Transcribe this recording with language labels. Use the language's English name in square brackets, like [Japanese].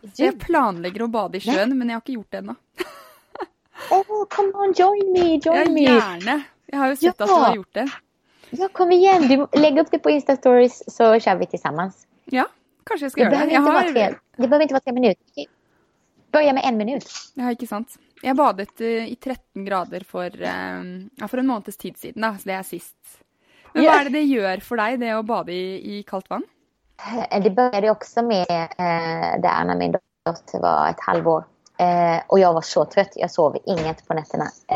[Swedish] så jag planlägger att bada i sjön, men jag har inte gjort det ännu. [English] Come on, join me. [Swedish] Ja, gärna. Jag har ju sett att du har gjort det. Ja, kom igen. Lägg upp det på Insta Stories så kör vi tillsammans. Ja, kanske jag ska göra det. Det behöver inte vara 3 minuter. Börja med 1 minut. [Norwegian] Ja, ikke sant. Jeg badet i 13 grader for en måneds tid siden, da, så det er sist. Men hva er det gjør for deg, det å bade i kaldt vann? [Swedish] Det började också med där när min dotter var 1,5 år. Och jag var så trött, jag sov inget på nätterna.